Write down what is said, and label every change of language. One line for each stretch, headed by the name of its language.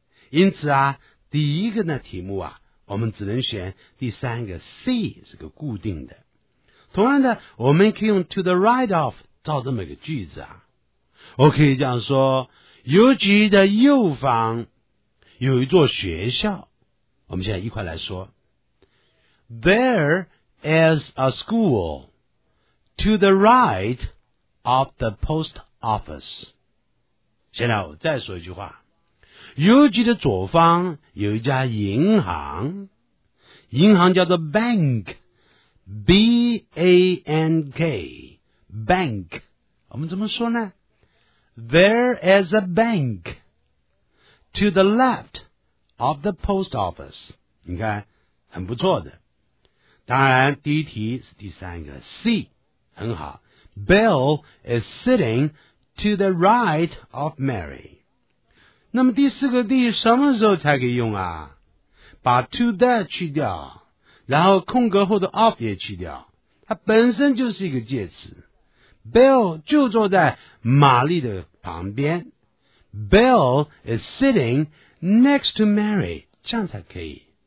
Chinese: 因此啊，第一个呢题目啊，我们只能选第三个 C, 是个固定的。同样的，我们可以用
English: to the right of
Chinese: 造这么一个句子啊。我可以这样说，邮局的右方有一座学校。我们现在一块来说
English: There is a school to the right of the post office.
Chinese: 现在我再说一句话，邮局的左方有一家银行，银行叫做 bank, B-A-N-K, bank, 我们怎么说呢？
English: There is a bank to the left of the post office.
Chinese: 你看，很不错的。当然，第一题是第三个 C, 很好。
English: Bill is sitting to the right of Mary.
Chinese: 那么第四个 D 什么时候才可以用啊？把 to that 去掉，然后空格后的 of 也去掉，它本身就是一个介词。 Bill 就坐在玛丽的旁边。
English: Bill is sitting next to Mary, 这样才可以。